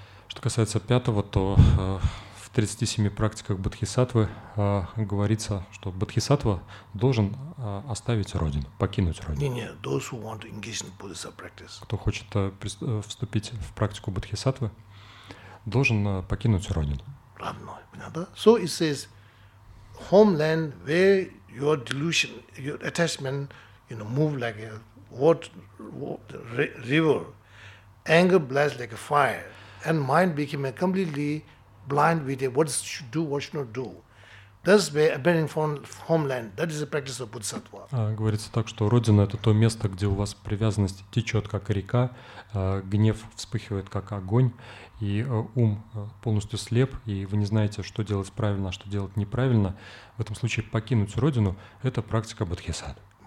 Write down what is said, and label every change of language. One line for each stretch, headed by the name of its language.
Russian: Что касается пятого, то в 37 практиках Бодхисаттвы говорится, что Бодхисаттва должен оставить родину, покинуть родину. Не,
English: those who want to engage in Buddhist practice.
Russian: Кто хочет вступить в практику Бодхисаттвы, должен покинуть родину. Родной, понятно?
English: So it says homeland where your delusion, your attachment, you know, move like a water, river, anger blast like a fire, and mind became completely blind with what should do, what should not do. That's where abandoning from homeland, that is the practice of Bodhisattva.
Russian: Говорится так, что родина – это то место, где у вас привязанность течет, как река, гнев вспыхивает, как огонь, и ум полностью слеп, и вы не знаете, что делать правильно, а что делать неправильно. В этом случае покинуть родину – это практика Бодхисат.